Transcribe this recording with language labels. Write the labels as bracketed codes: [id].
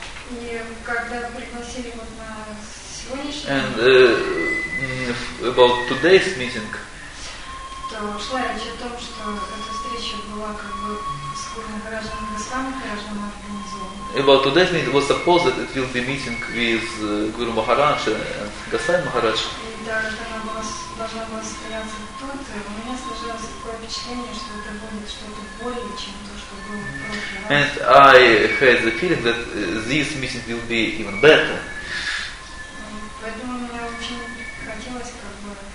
[ru] И когда пригласили вот на сегодняшний [en] and about today's meeting. [ru] То шла речь о том, что эта встреча была как бы с Гурами Махараджем, Госвами Махараджем организована. [en] About today's meeting was supposed that it will be meeting with Guru Maharaj and Госвами Махарадж. [ru] И даже она должна была состояться тут, и у меня сложилось такое впечатление, что это будет что-то более, чем то, что было в прошлый раз. [en] And I had the feeling that this meeting will be even better. [ru] Поэтому мне очень хотелось как бы